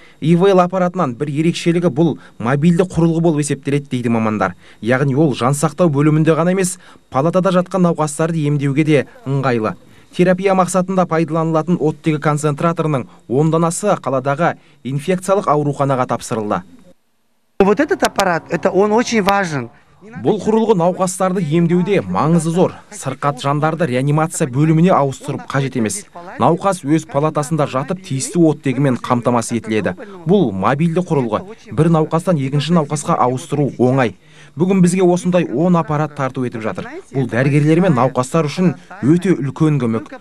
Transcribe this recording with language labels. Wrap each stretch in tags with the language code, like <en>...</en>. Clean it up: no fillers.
<kk>ИВЛ аппаратынан бір ерекшелігі бұл мобильді құрылғы болып есептеледі дейді мамандар. Яғни ол жансақтау бөлімінде ғана емес, палатада жатқан науқастарды емдеуге де ыңғайлы. Терапия мақсатында пайдаланылатын оттегі концентраторының ондан асы қаладағы инфекциялық ауруханаға тапсырылды.</kk> <ru>Вот этот аппарат, это он очень важен.</ru> <kk>Бұл құрылғы науқастарды емдеуде маңызы зор. Сырқат жандарды реанимация бөліміне ауыстырып қажет емес. Науқас өз палатасында жатып, тиісті оттегімен қамтамасыз етіледі. Бұл мобильді құрылғы. Бір науқастан екінші науқасқа ауыстыру оңай. Бүгін бізге осындай 10 аппарат тарту етіп жатыр. Бұл дәрігерлер мен науқастар үшін өте үлкен көмек.</kk>